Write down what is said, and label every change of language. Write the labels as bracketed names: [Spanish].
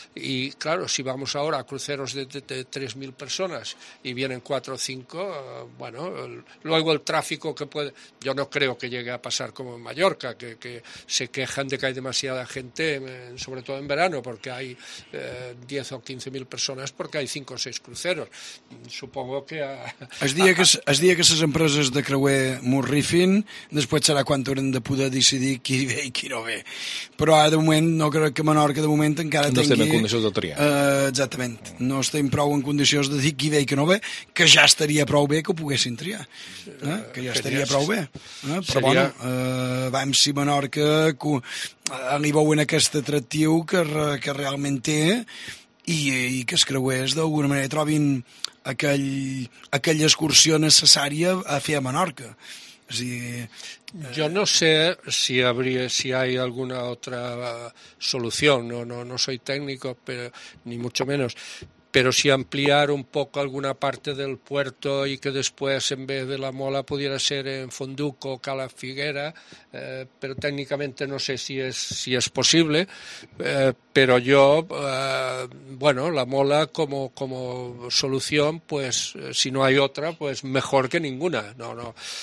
[Spanish] Y claro, si vamos ahora a cruceros de 3.000 personas y vienen 4 o 5, bueno, luego el tráfico que puede... Yo no creo que llegue a pasar como en Mallorca, que se quejan de que hay demasiada gente, sobre todo en verano, porque hay 10 o 15.000 personas, porque hay 5 o 6 cruceros. Supongo que... [Catalan] Es dia que les empreses de creuer morrifin, després serà quan haurem de poder decidir qui ve i qui no ve. Però ara, de moment, no crec que Menorca, de moment, encara no tingui... No estem en condicions de triar. Exactament. No estem prou en condicions de dir qui ve i qui no ve, que ja estaria prou bé que ho poguessin triar. Que ja estaria prou bé. Però, seria... bueno, vam si Menorca li veuen aquest atractiu que realment té i que es creués d'alguna manera trobin aquella excursió necessària a fer a Menorca. O sigui, [Spanish] jo no sé si habría, si hay alguna otra solución, no soy técnico, pero, ni mucho menos, pero si ampliar un poco alguna parte del puerto y que después en vez de la mola pudiera ser en Fonduco o Calafiguera, pero técnicamente no sé si es posible, pero yo, bueno, la mola como solución, pues si no hay otra, pues mejor que ninguna, no.